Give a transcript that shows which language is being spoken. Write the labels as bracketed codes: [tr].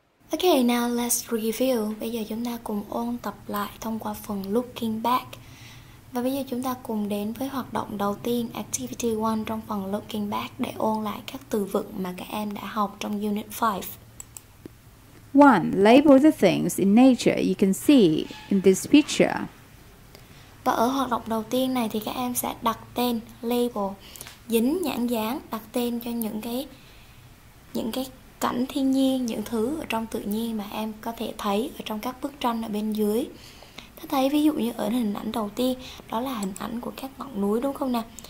[en] Ok, now let's review. [vi] Bây giờ chúng ta cùng ôn tập lại thông qua phần Looking Back. Và bây giờ chúng ta cùng đến với hoạt động đầu tiên, Activity 1 trong phần Looking Back để ôn lại các từ vựng mà các em đã học trong Unit 5. 1. [en] Label the things in nature you can see in this picture. [vi] Và ở hoạt động đầu tiên này thì các em sẽ đặt tên, label, dính nhãn dán, đặt tên cho những cái cảnh thiên nhiên, những thứ ở trong tự nhiên mà em có thể thấy ở trong các bức tranh ở bên dưới. Ta thấy ví dụ như ở hình ảnh đầu tiên, đó là hình ảnh của các ngọn núi đúng không nè.